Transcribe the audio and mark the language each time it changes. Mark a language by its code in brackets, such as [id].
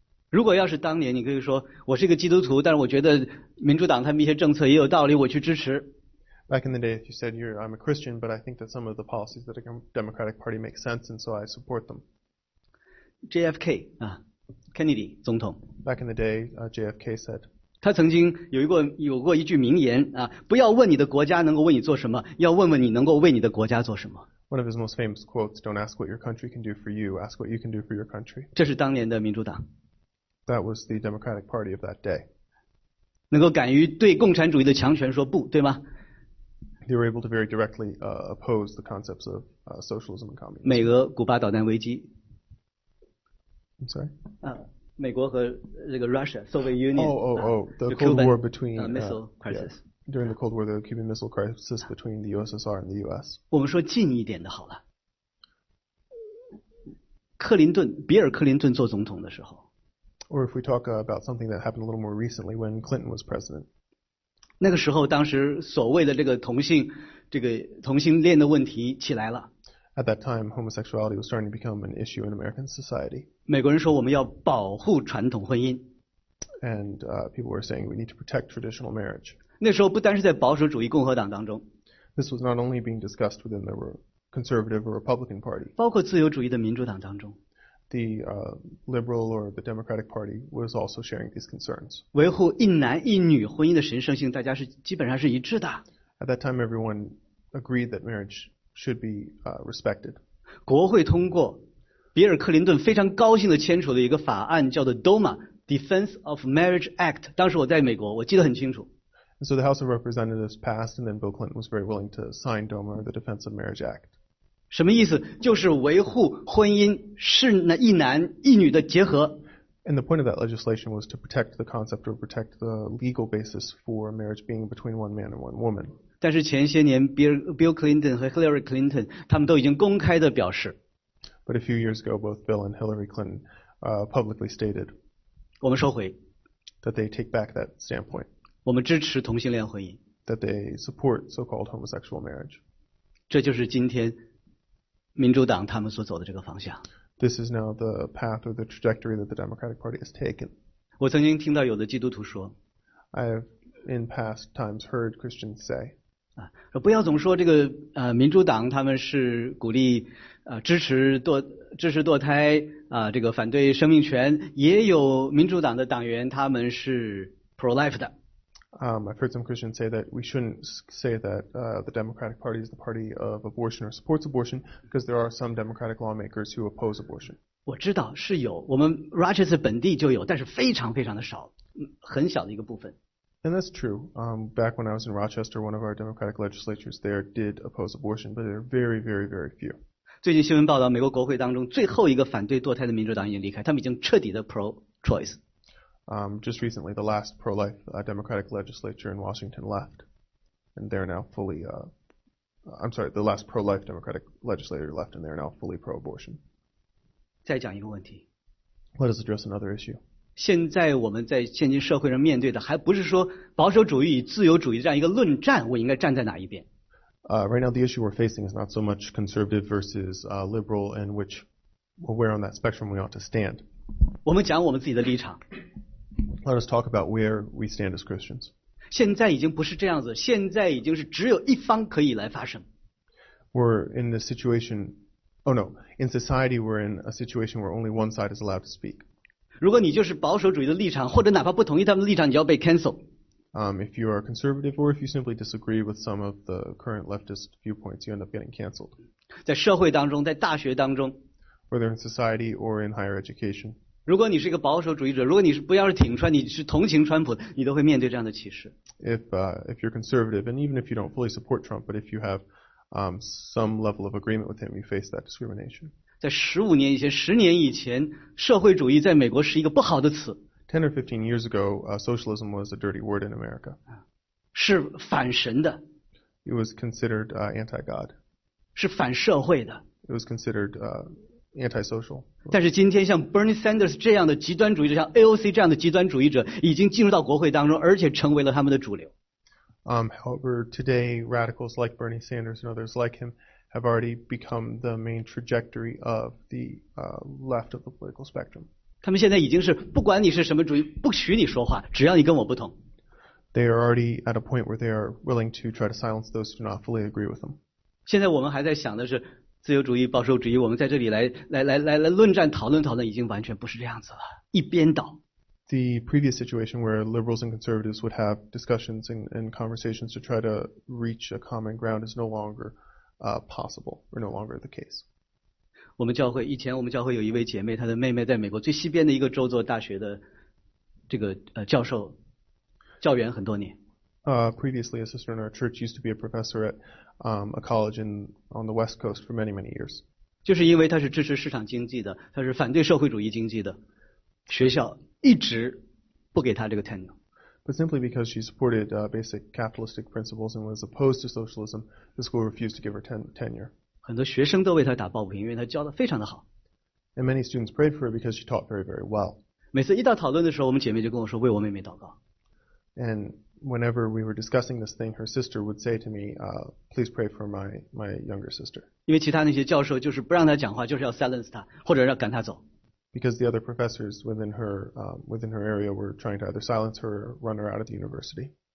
[zh] 如果要是当年你可以说我是一个基督徒但是我觉得民主党他们一些政策也有道理我去支持 [en] Back in the day if you said I'm a Christian but I think that some of the policies that the Democratic Party make sense and so I support them [zh] JFK Kennedy 总统 [en] Back in the day JFK said [zh] 他曾经有过一句名言不要问你的国家能够为你做什么要问问你能够为你的国家做什么 [en] One of his most famous quotes Don't ask what your country can do for you ask what you can do for your country [zh] 这是当年的民主党 [en] That was the Democratic Party of that day. [zh] 能够敢于对共产主义的强权说不，对吗？ [en] They were able to very directly oppose the concepts of socialism and communism. [zh] 美俄古巴导弹危机。 [en] I'm sorry. [zh] 美国和这个 Russia Soviet Union. [en] The Cold War between missile crisis. Yeah, during the Cold War, the Cuban Missile Crisis between the USSR and the U.S. [zh] 我们说近一点的好了。克林顿，比尔·克林顿做总统的时候。 [en] Or if we talk about something that happened a little more recently when Clinton was president. [zh] 那个时候当时所谓的这个同性恋的问题起来了。 [en] At that time, homosexuality was starting to become an issue in American society. [zh] 美国人说我们要保护传统婚姻。 [en] And people were saying we need to protect traditional marriage. [zh] 那时候不单是在保守主义共和党当中。 [en] This was not only being discussed within the conservative or Republican party. [zh] 包括自由主义的民主党当中。 [en] The Liberal or the Democratic Party was also sharing these concerns. [zh] 维护一男一女婚姻的神圣性，大家是基本上是一致的。 [en] At that time, everyone agreed that marriage should be respected. [zh] 国会通过比尔·克林顿非常高兴地签署的一个法案，叫做 DOMA, Defense of Marriage Act. 当时我在美国，我记得很清楚。 [en] And so the House of Representatives passed, and then Bill Clinton was very willing to sign DOMA, the Defense of Marriage Act. [zh] 什么意思？就是维护婚姻是一男一女的结合。 [en] And the point of that legislation was to protect the concept or protect the legal basis for marriage being between one man and one woman. [zh] 但是前些年 Bill Clinton 和 Hillary Clinton 他们都已经公开的表示。 [en] But a few years ago, both Bill and Hillary Clinton publicly stated [zh] 我们收回 [en] that they take back that standpoint. [zh] 我们支持同性恋婚姻 [en] that they support so-called homosexual marriage. [zh] 这就是今天民主党他们所走的这个方向。 [en] This is now the path or the trajectory that the Democratic Party has taken. [zh] 我曾经听到有的基督徒说 [en] I have in past times heard Christians say [zh] 不要总说这个民主党他们是鼓励支持堕胎这个反对生命权也有民主党的党员他们是 pro-life 的。 [en] I've heard some Christians say that we shouldn't say that the Democratic Party is the party of abortion or supports abortion because there are some Democratic lawmakers who oppose abortion. [zh] 我知道是有，我们 Rochester 本地就有，但是非常非常的少，很小的一个部分。 [en] And that's true. Back when I was in Rochester, one of our Democratic legislatures there did oppose abortion, but there are very, very, very few. [zh] 最近新闻报道，美国国会当中最后一个反对堕胎的民主党已经离开，他们已经彻底的 pro-choice。 [en] Just recently, the last pro-life Democratic legislature in Washington left, and they're now fully, the last pro-life Democratic legislator left, and they're now fully pro-abortion. [zh] 再讲一个问题。 [en] Let us address another issue. [zh] 现在我们在现今社会上面对的还不是说保守主义与自由主义这样一个论战，我应该站在哪一边。 [en] Right now, the issue we're facing is not so much conservative versus liberal, and which, well, where on that spectrum we ought to stand. [zh] 我们讲我们自己的立场。 [en] Let us talk about where we stand as Christians. [zh] 现在已经不是这样子，现在已经是只有一方可以来发声。 [en] We're in the situation, oh no, in society we're in a situation where only one side is allowed to speak. [zh] 如果你就是保守主义的立场，或者哪怕不同意他们的立场，你就要被 cancel. [en] If you are conservative or if you simply disagree with some of the current leftist viewpoints, you end up getting canceled. [zh] 在社会当中，在大学当中。 [en] Whether in society or in higher education. [zh] 如果你是一个保守主义者，如果你是不要是挺川，你是同情川普，你都会面对这样的歧视。 [en] If you're conservative, and even if you don't fully support Trump, but if you have some level of agreement with him, you face that discrimination. [zh] 在10年以前，社会主义在美国是一个不好的词。 [en] 10 or 15 years ago, socialism was a dirty word in America. [zh] 是反神的。 [en] It was considered anti-God. [zh] 是反社会的。 [en] It was considered anti-social. [zh] 但是今天像 Bernie Sanders 这样的极端主义者，像 AOC 这样的极端主义者，已经进入到国会当中，而且成为了他们的主流。 [en] However, today radicals like Bernie Sanders and others like him have already become the main trajectory of the left of the political spectrum. [zh] 他们现在已经是不管你是什么主义，不许你说话，只要你跟我不同。 [en] They are already at a point where they are willing to try to silence those who do not fully agree with them. [zh] 现在我们还在想的是。自由主义、保守主义，我们在这里来论战、讨论讨论，已经完全不是这样子了，一边倒。 [en] The previous situation where liberals and conservatives would have discussions and conversations to try to reach a common ground is no longer possible or no longer the case. [zh] 我们教会以前，我们教会有一位姐妹，她的妹妹在美国最西边的一个州做大学的这个教授、教员很多年。 [en] Previously, a sister in our church used to be a professor at a college on the West Coast for many, many years. [zh] 就是因为他是支持市场经济的，他是反对社会主义经济的，学校一直不给他这个 tenure. [en] But simply because she supported basic capitalistic principles and was opposed to socialism, the school refused to give her tenure. [zh] 很多学生都为他打抱不平，因为他教的非常的好。 [en] And many students prayed for her because she taught very, very well. [zh] 每次一到讨论的时候，我们姐妹就跟我说为我妹妹祷告。 [en] And whenever we were discussing this thing, her sister would say to me, please pray for my younger sister. Because the other professors within her area were trying to either silence her or run her out of the university.